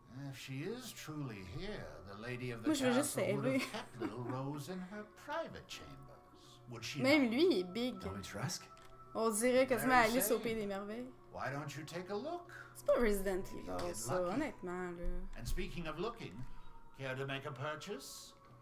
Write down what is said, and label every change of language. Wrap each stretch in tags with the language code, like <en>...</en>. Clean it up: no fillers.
<en>If she is truly here, the lady of the castle would have kept little Rose in her private chambers. Would she?</en> <fr>Même lui est big.</fr> <en>Don't you trust?</en> <fr>On dirait quasiment Alice au Pays des Merveilles.</fr> <en>Why don't you take a look?</en> <fr>C'est pas Resident Evil, ça, honnêtement, là.</fr> <en>And speaking of looking, care to make a purchase?</en>